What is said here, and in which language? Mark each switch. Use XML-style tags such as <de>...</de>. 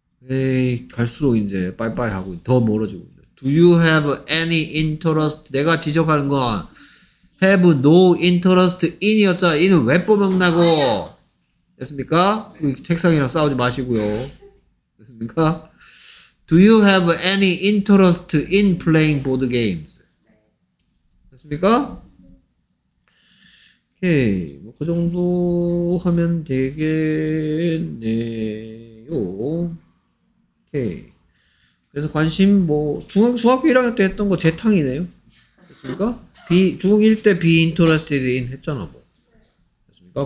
<ko>에이, 갈수록 이제 빠이빠이 하고 더 멀어지고 있네.</ko> <en>Do you have any interest?</en> <ko>내가 지적하는 건 have no interest in이었잖아. in은 왜 뻐먹나고. 됐습니까? 네. 책상이랑 싸우지 마시고요. 됐습니까?</ko> <en>Do you have any interest in playing board games?</en> <ko>됐습니까? 오케이. 뭐 그 정도 하면 되겠네요. 오케이. 그래서 관심 뭐 중학교 1학년 때 했던 거 재탕이네요. 됐습니까? 중1 때 be interested in 했잖아 뭐. 됐습니까?</ko>